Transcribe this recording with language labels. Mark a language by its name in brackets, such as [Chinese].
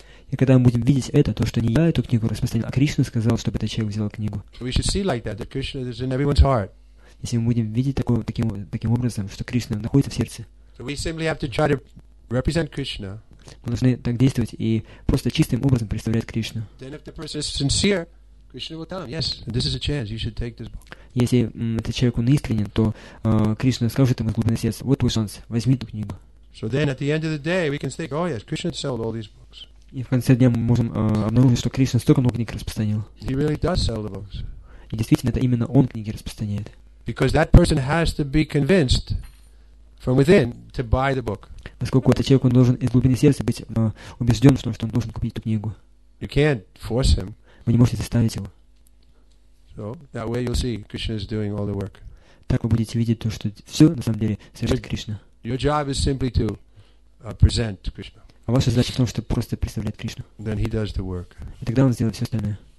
[Russian] И когда мы будем видеть это, то, что не я эту книгу распространил, а Кришна сказал, чтобы этот человек взял книгу. [English] We should see like that, that Krishna is in everyone's heart. [Russian] Если мы будем видеть таким образом, что Кришна находится в сердце, [English] so we simply have to try to represent Krishna. [Russian] Мы должны так действовать и просто чистым образом представлять Кришну. [English] Then if the person is sincere, Krishna will tell him, yes, this is a chance, you should take this book. [Russian] Если этот человек он искренен, то Кришна скажет ему из глубины сердца, вот твой шанс, возьми эту книгу. [English] So then at the end of the day, we can think, oh yes, Krishna sold all these books. [Russian] И в конце дня мы можем обнаружить, что Кришна столько много книг распространил. [English] He really does sell the books. [Russian] И действительно, это именно он книги распространяет. [English] Because that person has to be convinced from within to buy the book. [Russian] Поскольку этот человек, он должен из глубины сердца быть убежден в том, что он должен купить эту книгу. [English] You can't force him. [Russian] Вы не можете заставить его. [English] So that way you'll see Krishna is doing all the work. [Russian] Так вы будете видеть то, что все на самом деле совершает Кришна. [English] Your job is simply to present Krishna. [Russian] А ваша задача в том, чтобы просто представлять Кришну. [English] Then he does the work. [Russian] И тогда он сделает все остальное.